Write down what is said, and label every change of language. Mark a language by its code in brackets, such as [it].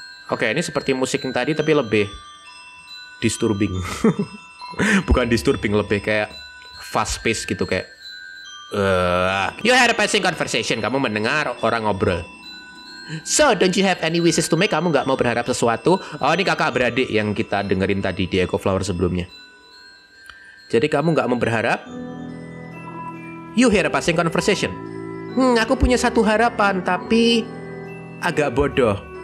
[id] Oke, ini seperti musik yang tadi, tapi lebih disturbing. Bukan disturbing, lebih kayak fast pace gitu, kayak [en] you had a passing conversation. [id] Kamu mendengar orang ngobrol. [en] So, don't you have any wishes to make? [id] Kamu gak mau berharap sesuatu? Oh, ini kakak beradik yang kita dengerin tadi di Echo Flower sebelumnya. Jadi kamu gak mau berharap? [en] You had a passing conversation. [id] Aku punya satu harapan, tapi agak bodoh.